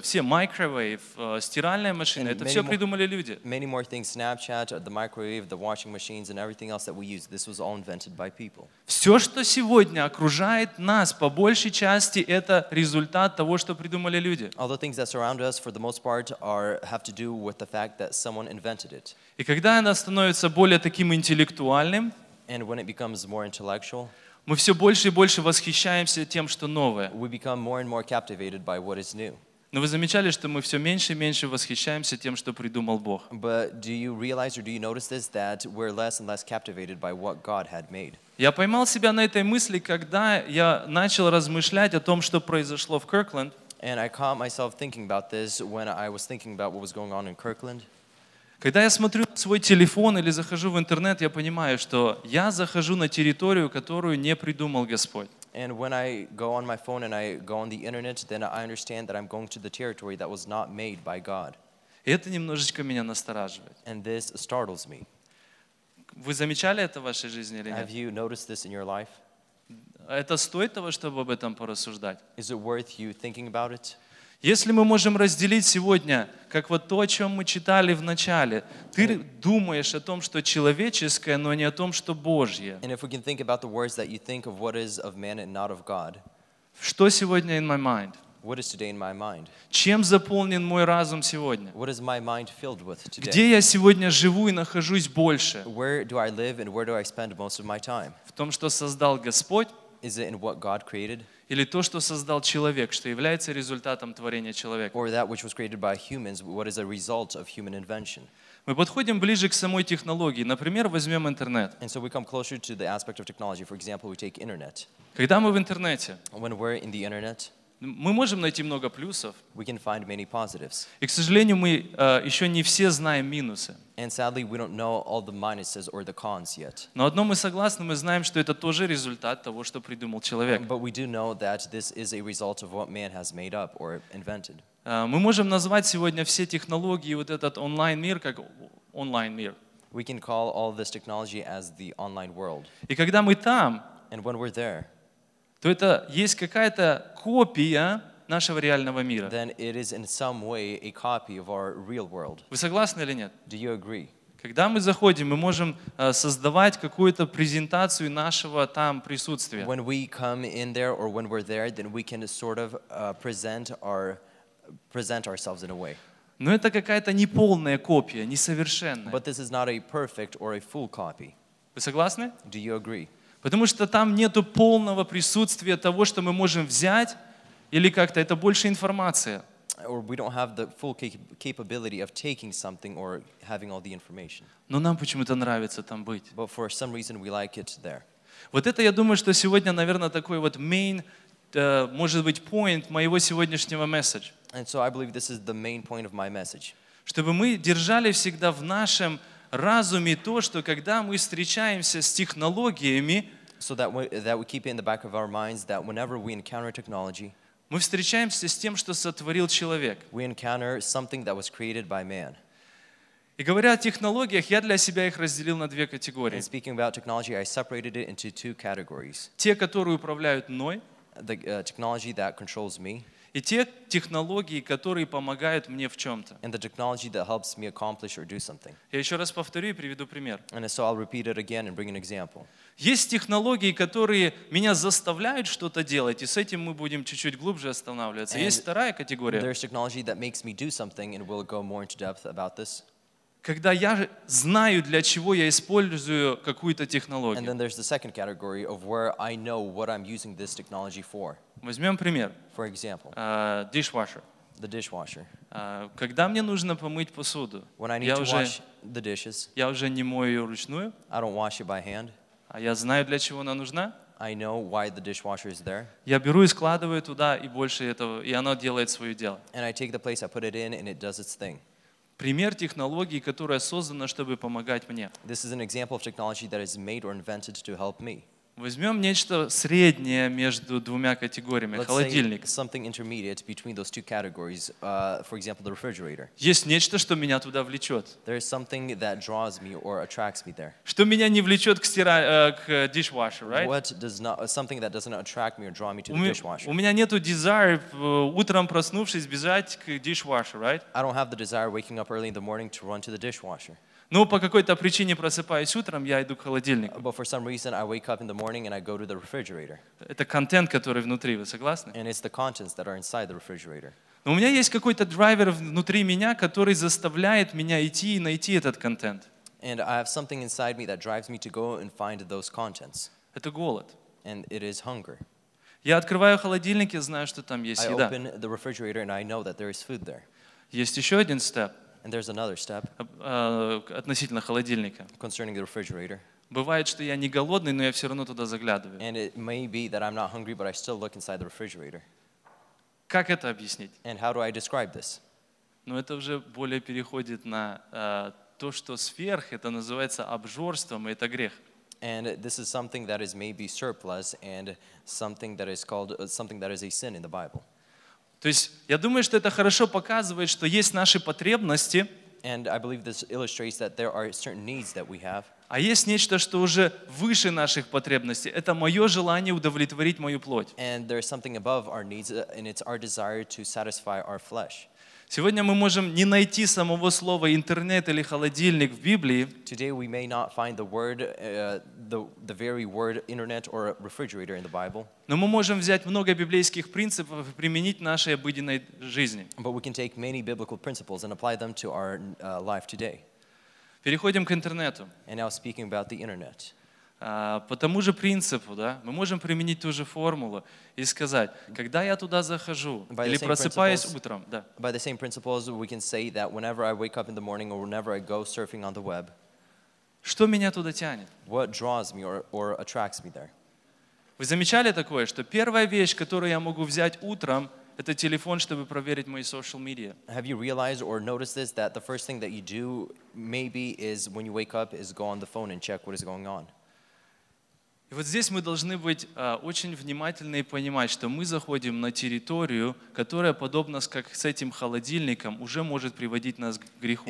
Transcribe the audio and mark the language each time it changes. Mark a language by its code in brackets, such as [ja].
[ru] Все microwave, стиральная машина, это все придумали люди. [en] Many more things, Snapchat, the microwave, the washing machines, and everything else that we use, this was all invented by people. [ru] Все, что сегодня окружает нас, по большей части, это результат того, что придумали люди. [en] All the things that surround us, for the most part, have to do with the fact that someone invented it. [ru] И когда она становится более таким интеллектуальным, [en] and when it becomes more intellectual, [ru] мы все больше и больше восхищаемся тем, что новое. [en] We become more and more captivated by what is new. [ru] Но вы замечали, что мы все меньше и меньше восхищаемся тем, что придумал Бог? [en] But do you realize or do you notice this, that we're less and less captivated by what God had made? [ru] Я поймал себя на этой мысли, когда я начал размышлять о том, что произошло в Kirkland. [en] And I caught myself thinking about this when I was thinking about what was going on in Kirkland. [ru] Когда я смотрю на свой телефон или захожу в интернет, я понимаю, что я захожу на территорию, которую не придумал Господь. [en] And when I go on my phone and I go on the internet, then I understand that I'm going to the territory that was not made by God. [ru] И это немножечко меня настораживает. [en] And this startles me. [ru] Вы замечали это в вашей жизни или нет? [en] Have you noticed this in your life? [ru] Это стоит того, чтобы об этом порассуждать? [en] Is it worth you thinking about it? [ru] Если мы можем разделить сегодня, как вот то, о чем мы читали в начале, ты думаешь о том, что человеческое, но не о том, что Божье. [en] And if we can think about the words that you think of what is of man and not of God. [ru] Что сегодня [en] in my mind? What is today in my mind? [ru] Чем заполнен мой разум сегодня? [en] What is my mind filled with today? [ru] Где я сегодня живу и нахожусь больше? [en] Where do I live and where do I spend most of my time? [ru] В том, что создал Господь? [en] Is it in what God created? [ru] Или то, что создал человек, что является результатом творения человека. [en] Or that which was created by humans, what is a result of human invention. [ru] Мы подходим ближе к самой технологии. Например, возьмем интернет. [en] And so we come closer to the aspect of technology. For example, we take internet. [ru] Когда мы в интернете, [en] when we're in the internet, [ru] мы можем найти много плюсов. [en] We can find many positives. [ru] И, к сожалению, мы еще не все знаем минусы. [en] And sadly, we don't know all the minuses or the cons yet. [ru] Но одно мы согласны, мы знаем, что это тоже результат того, что придумал человек. [en] But we do know that this is a result of what man has made up or invented. [ru] Мы можем назвать сегодня все технологии, вот этот онлайн-мир, как онлайн-мир. [en] We can call all this technology as the online world. [ru] И когда мы там, [en] and when we're there, [ru] то это есть какая-то копия нашего реального мира. [en] Then it is in some way a copy of our real world. [ru] Вы согласны или нет? [en] Do you agree? [ru] Когда мы заходим, мы можем создавать какую-то презентацию нашего там присутствия. [en] When we come in there or when we're there, then we can sort of present ourselves in a way. [ru] Но это какая-то неполная копия, несовершенная. [en] But this is not a perfect or a full copy. [ru] Вы согласны? [en] Do you agree? [ru] Потому что там нету полного присутствия того, что мы можем взять или как-то это больше информация. [en] Or we don't have the full capability of taking something or having all the information. [ru] Но нам почему-то нравится там быть. [en] But for some reason we like it there. [ru] Вот это я думаю, что сегодня, наверное, такой вот [en] main, [ru] может быть, [en] point [ru] моего сегодняшнего [en] message. And so I believe this is the main point of my message. [ru] Чтобы мы держали всегда в нашем разуме то, что когда мы встречаемся с технологиями, [en] so that we keep it in the back of our minds that whenever we encounter technology, [ru] мы встречаемся с тем, что сотворил человек. [en] We encounter something that was created by man. [ru] И говоря о технологиях, я для себя их разделил на две категории. [en] And speaking about technology, I separated it into two categories. [ru] Те, которые управляют мной. [en] The technology that controls me. [ru] И те технологии, которые помогают мне в чем-то. [en] And the technology that helps me accomplish or do something. [ru] Я еще раз повторю и приведу пример. [en] And so I'll repeat it again and bring an example. [ru] Есть технологии, которые меня заставляют что-то делать, и с этим мы будем чуть-чуть глубже останавливаться. [en] And [ru] есть вторая категория. [en] There's technology that makes me do something, and we'll go more into depth about this. [ru] Когда я знаю, для чего я использую какую-то технологию. [en] And then there's the second category of where I know what I'm using this technology for. [ru] Возьмем пример. [en] For example. Dishwasher. The dishwasher. [ru] Когда мне нужно помыть посуду. [en] When I need to wash the dishes. [ru] Я уже не мою ее вручную. [en] I don't wash it by hand. [ru] А я знаю, для чего она нужна. [en] I know why the dishwasher is there. [ru] Я беру и складываю туда, и больше этого, и она делает свое дело. [en] And I take the place, I put it in, and it does its thing. [ru] Пример технологии, которая создана, чтобы помогать мне. [en] This is an example of technology that is made or invented to help me. [ru] Возьмем нечто среднее между двумя категориями. [en] Let's [ru] холодильник. [en] Say something intermediate between those two categories. For example, the refrigerator. [ru] Есть нечто, что меня туда влечет. [en] There is something that draws me or attracts me there. [ru] Что меня не влечет к к dishwasher, [en] right? What does not something that doesn't attract me or draw me to the dishwasher? [ru] У меня нету [en] desire [ru] утром проснувшись бежать к dishwasher, [en] right? I don't have the desire waking up early in the morning to run to the dishwasher. [ru] Но по какой-то причине просыпаюсь утром, я иду к холодильнику. [en] But for some reason I wake up in the morning and I go to the refrigerator. [ru] Это контент, который внутри, вы согласны? [en] And it's the contents that are inside the refrigerator. [ru] Но у меня есть какой-то драйвер внутри меня, который заставляет меня идти и найти этот контент. [en] And I have something inside me that drives me to go and find those contents. [ru] Это голод. [en] And it is hunger. [ru] Я открываю холодильник, я знаю, что там есть еда. [en] I open the refrigerator and I know that there is food there. [ru] Есть еще один step. [en] And there's another step. [ru] Относительно холодильника. [en] Concerning the refrigerator. [ru] Бывает, что я не голодный, но я все равно туда заглядываю. [en] And it may be that I'm not hungry, but I still look inside the refrigerator. [ru] Как это объяснить? [en] And how do I describe this? [ru] Ну, это уже более переходит на то, что сверх, это называется обжорством, и это грех. [en] And this is something that is maybe surplus, and something that is called something that is a sin in the Bible. [ru] То есть, я думаю, что это хорошо показывает, что есть наши потребности. [en] And I believe this illustrates that there are certain needs that we have. [ru] А есть нечто, что уже выше наших потребностей. Это мое желание удовлетворить мою плоть. [en] And there is something above our needs, and it's our desire to satisfy our flesh. [ru] Сегодня мы можем не найти самого слова интернет или холодильник в Библии. [en] Today we may not find the word, the very word internet or refrigerator in the Bible. [ru] Но мы можем взять много библейских принципов и применить в нашей обыденной жизни. [en] But we can take many biblical principles and apply them to our life today. [ru] Переходим к интернету. [en] And now speaking about the internet. [ru] По тому же принципу, да, мы можем применить ту же формулу и сказать, когда я туда захожу или просыпаюсь утром, да. [en] By the same principles, we can say that whenever I wake up in the morning or whenever I go surfing on the web, [ru] что меня туда тянет? [en] What draws me or attracts me there? [ru] Вы замечали такое, что первая вещь, которую я могу взять утром, это телефон, чтобы проверить мои social media? [en] Have you realized or noticed this, that the first thing that you do maybe is when you wake up is go on the phone and check what is going on? [ru] И вот здесь мы должны быть очень внимательны и понимать, что мы заходим на территорию, которая подобна как с этим холодильником, уже может приводить нас к греху.